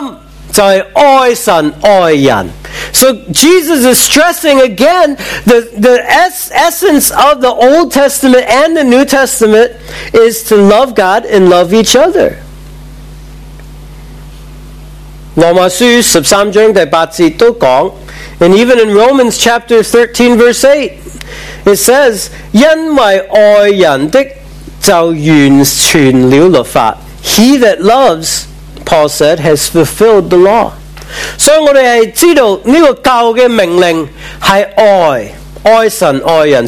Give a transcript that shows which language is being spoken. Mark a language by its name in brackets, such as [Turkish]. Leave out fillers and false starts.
[Chinese] 所以耶稣强调新约圣经、旧约圣经的中心就是爱神爱人。 [English] So Jesus is stressing again the essence of the Old Testament and the New Testament is to love God and love each other. [Chinese] 罗马书13章第8节都讲, [English] and even in Romans chapter 13 verse 8, it says, [Chinese] 因为爱人的就完全了律法. [English] He that loves, Paul said, has fulfilled the law. [Chinese] 所以我们知道这个教的命令是爱神爱人.